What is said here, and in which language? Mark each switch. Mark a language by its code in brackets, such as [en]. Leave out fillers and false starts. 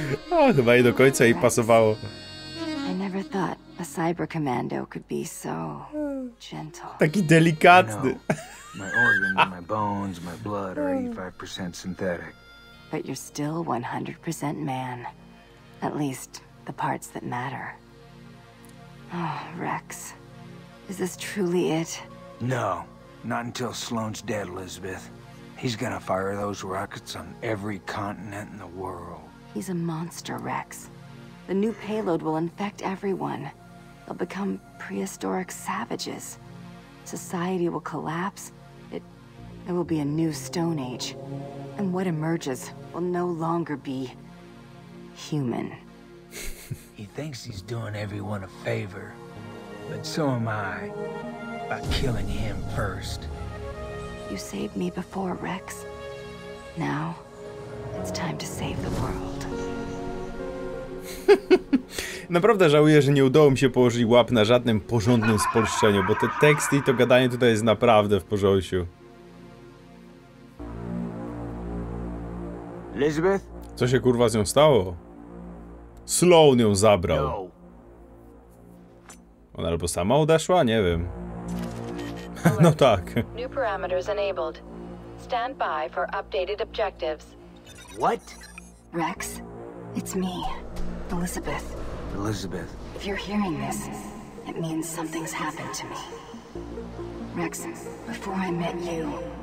[pl] O, chyba i do końca jej pasowało. [en] I never thought a cyber commando could be so gentle. [pl] Taki delikatny. [en] My organs, my bones, my blood are 85% synthetic. But you're still 100% man. At least the parts that matter. Oh, Rex. Is this truly it? No. Not until Sloane's dead, Elizabeth. He's gonna fire those rockets on every continent in the world. He's a monster, Rex. The new payload will infect everyone. They'll become prehistoric savages. Society will collapse. It will be a new stone age. And what emerges will no longer be human. He thinks he's doing everyone a favor, but so am I, by killing him first. You saved me before, Rex. Now, it's time to save the world. [pl] Naprawdę żałuję, że nie udało mi się położyć łap na żadnym porządnym spolszczeniu, bo te teksty i to gadanie tutaj jest naprawdę w porządku. [en] Elizabeth? [pl] Co się kurwa z nią stało? Sloane ją zabrał. Ona albo sama odeszła, nie wiem. No tak. [en] New parameters enabled. Stand by for updated objectives. What? Rex, it's me, Elizabeth. Elizabeth. If you're hearing this, it means something's happened to me. Rex, before I met you.